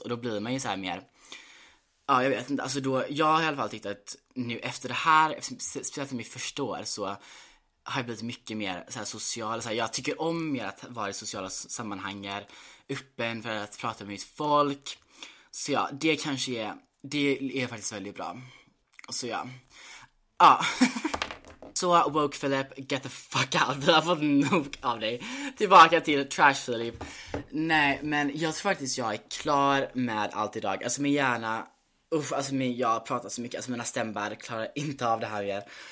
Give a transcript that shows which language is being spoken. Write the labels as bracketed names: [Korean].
[Swedish] Och då blir man ju så här mer. Ja, jag vet inte. Alltså då, jag har i alla fall tyckt att nu efter det här, speciellt när vi förstår, så har jag blivit mycket mer så här social. Så här, jag tycker om mer att vara i sociala sammanhang, öppen för att prata med mitt folk. Så ja, det kanske är, det är faktiskt väldigt bra. Så ja. Ja. [English] Så woke Philip, get the fuck out. [Swedish] Vi har fått nog av dig. Tillbaka till trash Philip. Nej, men jag tror faktiskt jag är klar med allt idag. Alltså min hjärna, jag har pratat så mycket. Alltså mina stämbar klarar inte av det här mer.